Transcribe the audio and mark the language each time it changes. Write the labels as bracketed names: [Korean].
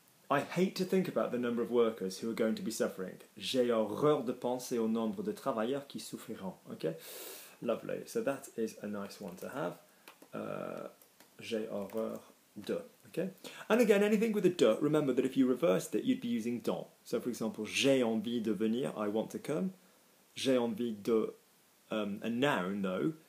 [English] I hate to think about the number of workers who are going to be suffering. [French] J'ai horreur de penser au nombre de travailleurs qui souffriront. [English] Okay? Lovely. So that is a nice one to have. [French] J'ai horreur de. [English] Okay? And again, anything with a de, remember that if you reversed it, you'd be using dans. So for example, [French] j'ai envie de venir, [English] I want to come. [French] J'ai envie de, [English] a noun though.